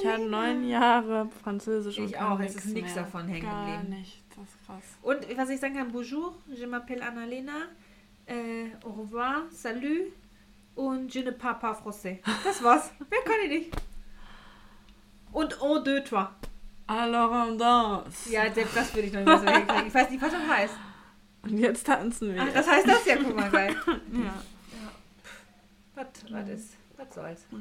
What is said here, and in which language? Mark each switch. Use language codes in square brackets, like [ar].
[de] Ich habe 9 Jahre Französisch und ich auch, es ist nichts davon hängen gar geblieben. Gar nicht, das ist krass. Und was ich sagen kann, [fr] bonjour, je m'appelle Annalena, au revoir, salut [de] und [fr] je ne parle pas français. [de] Das war's, mehr kann ich nicht. Und [fr] en deux, trois. Alors on danse. [de] Ja, das würde ich noch nicht so hinkriegen. Ich weiß nicht, was das heißt. Und jetzt tanzen wir. Ach, das heißt das ja, guck mal, geil. Ja. Was ist? Was soll's?